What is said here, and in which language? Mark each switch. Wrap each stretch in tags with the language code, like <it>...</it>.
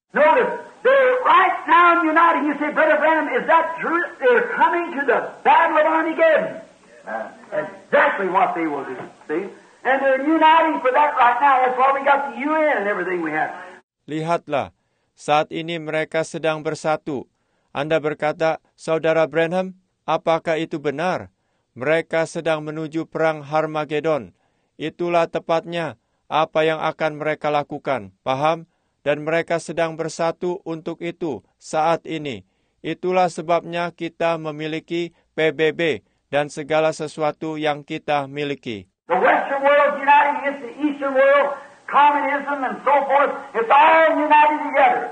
<en>Notice, they're right now uniting. You say, Brother Branham, is that true? They're coming to the Battle of Armageddon. Exactly what they will do. See? And they're uniting for that right now. That's why we got the UN and everything we have.</en> <id>Lihatlah, saat ini mereka sedang bersatu. Anda berkata, Saudara Branham, apakah itu benar? Mereka sedang menuju perang Armageddon. Itulah tepatnya apa yang akan mereka lakukan, paham? Dan mereka sedang bersatu untuk itu saat ini. Itulah sebabnya kita memiliki PBB dan segala sesuatu yang kita miliki.</id> <en>The Western world uniting against the Eastern world, communism and so forth, it's all united together.</en>